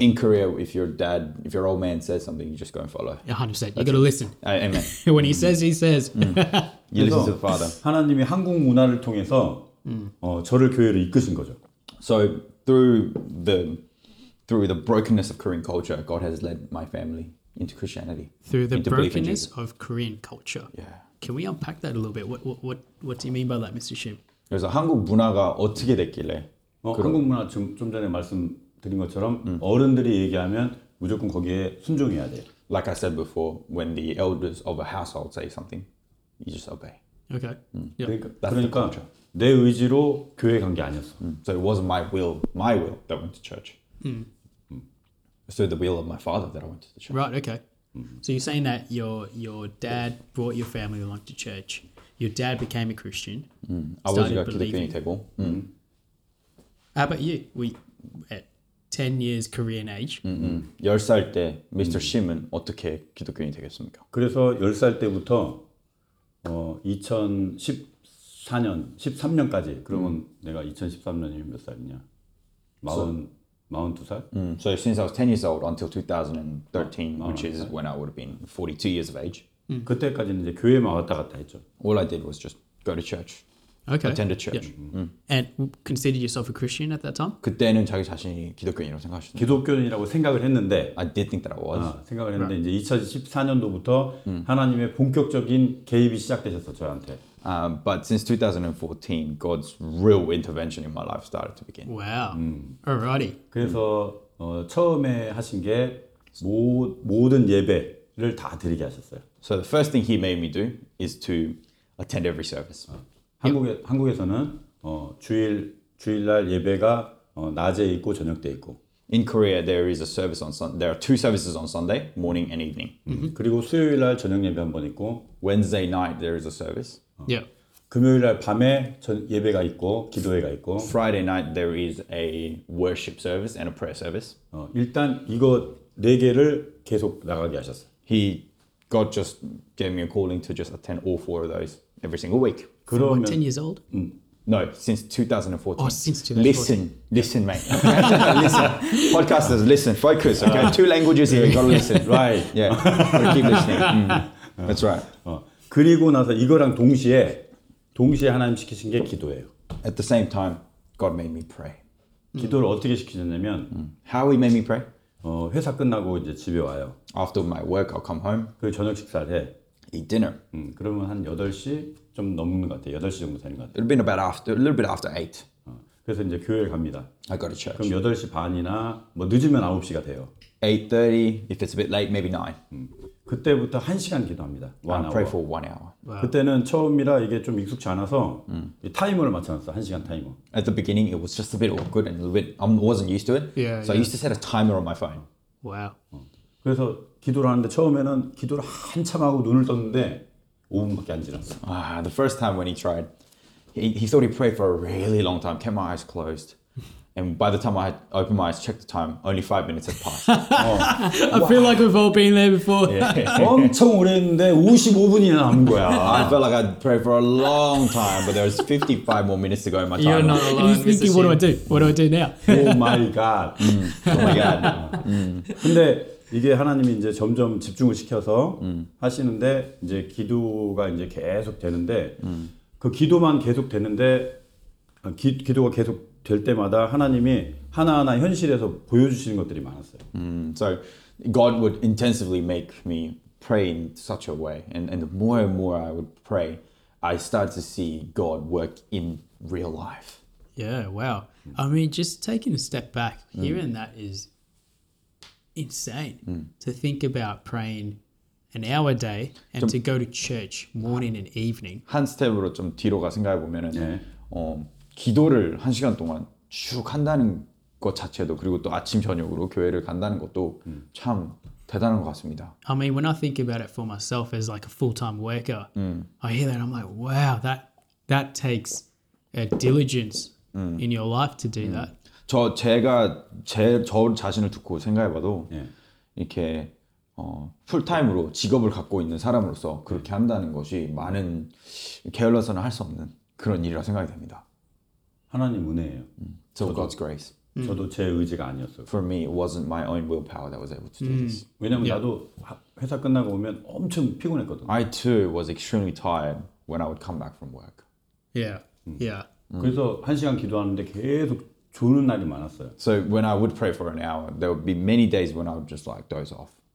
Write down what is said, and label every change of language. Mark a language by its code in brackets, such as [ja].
[en] In Korea, if your old man says something, you just go and follow. 100%. You gotta listen. Amen. When he says, he says. You listen to the father. [ko] 하나님이 한국 문화를 통해서 저를 교회로 이끄신 거죠. [en] So through the brokenness of Korean culture, God has led my family. Into Christianity. Through the brokenness of Korean culture. Yeah. Can we unpack that a little bit? What do you mean by that, Mr. Shim? [ko] 그래서 한국 문화가 어떻게 됐길래? 한국 문화 좀 전에 말씀드린 것처럼 어른들이 얘기하면 무조건 거기에 순종해야 돼. [en] Like I said before, when the elders of a household say something, you just obey. Okay. Yep. [ko] 그러니까 내 의지로 교회 간 게 아니었어. [en] So it wasn't my will that went to church. It's through the will of my father that I went to the church. Right, okay. So you're saying that your dad brought your family along to church. Your dad became a Christian. I was going to the community table. How about you? We at 10 years Korean age. [ko] 10살 때 Mr. Shim은 어떻게 기독교인이 되겠습니까? 그래서 10살 때부터 2014년, 13년까지 그러면 내가 2013년이면 몇 살이냐? 42살? [en] So since I was 10 years old until 2013, which is when I would have been 42 years of age. [ko] 그때까지는 이제 교회만 왔다 갔다 했죠. [en] All I did was just go to church. Okay. Attend a church. Yeah. And considered yourself a Christian at that time? [ko] 그때는 자기 자신이 기독교인이라고 생각하셨나요? 기독교인이라고 생각을 했는데 [en] I did think that I was. [ko] 생각을 했는데 [en] right. [ko] 이제 2014년도부터 하나님의 본격적인 개입이 시작되셨어 저한테. [en] But since 2014, God's real intervention in my life started to begin. Wow. Alrighty. [ko] 그래서 처음에 하신 게 모든 예배를 다 드리게 하셨어요. [en] So the first thing he made me do is to attend every service. [ko] 한국에서는 주일날 예배가 낮에 있고 저녁 때 있고. [en] In Korea, there is a service on Sunday. There are two services on Sunday, morning and evening. [ko] 그리고 수요일날 저녁 예배 한 번 있고. [en] Wednesday night, there is a service. Yeah. [ko] 금요일날 밤에 예배가 있고 기도회가 있고. [en] Friday night there is a worship service and a prayer service. [ko] 일단 이거 네 개를 계속 나가게 하셨어. [en] God just gave me a calling to just attend all four of those every single week. [ko] 그러면 [en] 10 years old? No, since 2014. Oh, since 2014. Listen, yeah. Mate. Listen. Podcasters, listen, focus, okay? Two languages here, you gotta listen. Right. Yeah, keep listening. That's right. [ko] 그리고 나서 이거랑 동시에 하나님 시키신 게 기도예요. [en] At the same time, God made me pray. [ko] 기도를 어떻게 시키셨냐면 [en] How he made me pray? [ko] 회사 끝나고 이제 집에 와요. [en] After my work, I'll come home. [ko] 그 저녁 식사를 해. [en] Eat dinner. [ko] 그러면 한 8시 좀 넘는 것 같아요. 8시 정도 되는 것 같아요. [en] It'll be about after, a little bit after 8. [ko] 그래서 이제 교회를 갑니다. [en] I go to church. [ko] 그럼 8시 반이나 뭐 늦으면 9시가 돼요. [en] 8:30, if it's a bit late, maybe 9. [ko] 그때부터 1시간 기도합니다. [en] I pray for 1 hour. Wow. [ko] 그때는 처음이라 이게 좀 익숙지 않아서 타이머를 맞춰놨어, 1시간 타이머. [en] At the beginning, it was just a bit awkward and a bit, I wasn't used to it. Yeah, so yeah. I used to set a timer on my phone. Wow. [ko] 그래서 기도를 하는데 처음에는 기도를 한참 하고 눈을 떴는데 5분밖에 안 지났어. [en] Ah, the first time when he tried, he thought he prayed for a really long time, kept my eyes closed. And by the time I had opened my eyes, checked the time, only 5 minutes had passed. Oh, I wow. feel like we've all been there before. Yeah. [ko] 엄청 오래했는데 55분이나 남은 거야. [en] I felt like I'd prayed for a long time, but there was 55 more minutes to go in my time. You're not alone. He's thinking, what do I do? What do I do now? Oh my God. [ko] 근데 이게 하나님이 이제 점점 집중을 시켜서 하시는데 이제 기도가 이제 계속 되는데 그 기도만 계속 되는데 기도가 계속 될 때마다 하나님이 하나하나 현실에서 보여주시는 것들이 많았어요. [en] So God would intensively make me pray in such a way, and the more and more I would pray, I started to see God work in real life. Yeah, wow. I mean, just taking a step back, hearing that is insane. To think about praying an hour a day and to go to church morning and evening. [ko] 한 스텝으로 좀 뒤로가 생각해 보면은. 기도를 한 시간 동안 쭉 한다는 것 자체도 그리고 또 아침 저녁으로 교회를 간다는 것도 참 대단한 것 같습니다. [en] I mean, when I think about it for myself as like a full-time worker, I hear that and I'm like, wow, that takes a diligence in your life to do that. [ko] 저 자신을 듣고 생각해봐도 이렇게 풀타임으로 직업을 갖고 있는 사람으로서 그렇게 한다는 것이 많은 게을러서는 할 수 없는 그런 일이라 생각이 됩니다. 하나님 은혜예요. [en] So God's grace. [ko] 저도 제 의지가 아니었어요. [en] For me, it wasn't my own willpower that was able to do this. [ko] 왜냐면 나도 회사 끝나고 오면 엄청 피곤했거든. [en] I too was extremely tired when I would come back from work. Yeah. [ko] 그래서 한 시간 기도하는데 계속 졸는 날이 많았어요. [en] So when I would pray for an hour, there would be many days when I would just like doze off.